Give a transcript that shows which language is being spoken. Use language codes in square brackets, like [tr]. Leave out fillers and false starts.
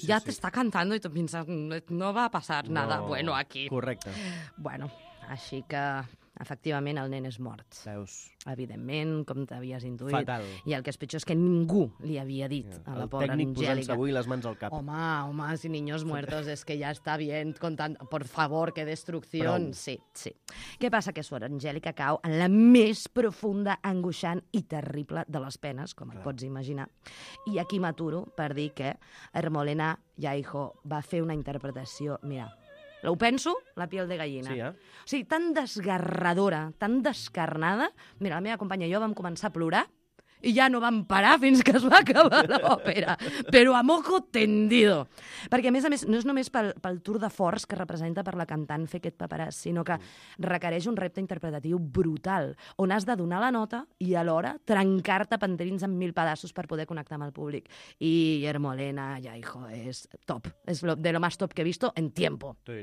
[ca] Ja t'està cantant i tu penses, no va passar [es] nada bueno [ca] aquí. Correcte. Bueno, així que Efectivament, el nen és mort. Veus. Evidentment, com t'havies intuït. Fatal. I el que és pitjor és que ningú li havia dit a la pobra Angèlica. El tècnic posant-se avui les mans al cap. Home, home, [es] si niños muertos, es que [ca] ja està [es] bien. [ca] Contant, [es] por favor, [ca] que destrucció. Sí, sí. Què passa? Que suor Angèlica cau en la més profunda, angoixant i terrible de les penes, com et pots imaginar. I aquí m'aturo per dir que Ermolena Yaijo va fer una interpretació, mira... Ho penso, [es] la piel de gallina. [ca] Sí, eh? O sigui, tan desgarradora, tan descarnada... Mira, la meva companya i jo vam començar a plorar i ja no vam parar fins que es va acabar l'òpera. Però [es] a moco tendido. [ca] Perquè, a més, no és només pel tour de force que representa per la cantant fer aquest paperàs, sinó que requereix un repte interpretatiu brutal, on has de donar la nota i, alhora, trencar-te pendrins en mil pedaços per poder connectar amb el públic. I Ermolena, ja, hijo, és top. És de [es] lo más top que he visto en tiempo.